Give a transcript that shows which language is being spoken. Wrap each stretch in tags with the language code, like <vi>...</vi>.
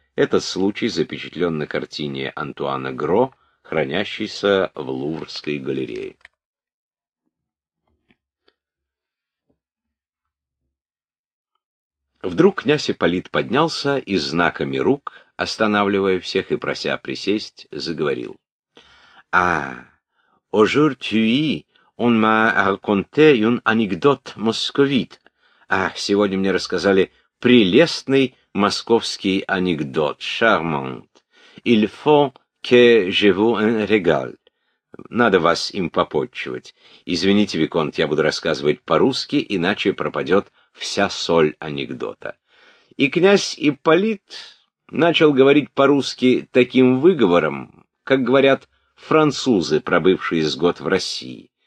<ru>Этот случай запечатлен на картине Антуана Гро, хранящейся в Луврской галерее. Вдруг князь Ипполит поднялся и знаками рук, останавливая всех и прося присесть, заговорил.</ru> <fr>«А, aujourd'hui, on m'a raconté un anecdote московит.</fr> <ru>А, сегодня мне рассказали прелестный московский анекдот,</ru> <fr>charmant. Il faut que je vous en regale.</fr> <ru>Надо вас им попотчевать. Извините, виконт, я буду рассказывать по-русски, иначе пропадет вся соль анекдота». И князь Ипполит начал говорить по-русски таким выговором, как говорят французы, пробывшие с год в России.</ru>